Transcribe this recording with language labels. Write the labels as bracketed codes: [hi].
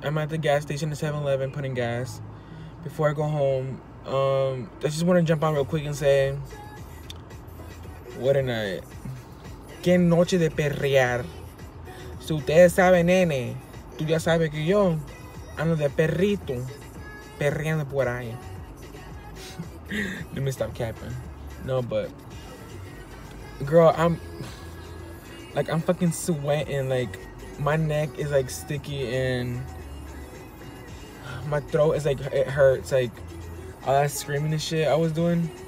[en] I'm at the gas station, the 7-Eleven, putting gas before I go home. I just want to jump on real quick and say, what a night. [es] Que noche de perrear. Si ustedes saben, nene, tú ya sabes que yo ando de perrito perreando por ahí. [en] Let me stop capping. No, but, girl, I'm fucking sweating, like, my neck is, like, sticky, and my throat is, like, it hurts, like, all that screaming and shit I was doing.